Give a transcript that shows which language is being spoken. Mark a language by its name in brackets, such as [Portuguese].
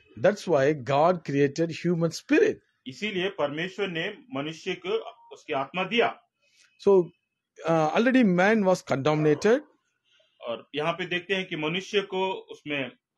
[English] That's why God created human spirit. [Hindi] इसीलिए परमेश्वर ने मनुष्य को उसकी आत्मा दिया. [English] So already man was contaminated. [Hindi] और यहाँ पे देखते हैं कि मनुष्य को उसमें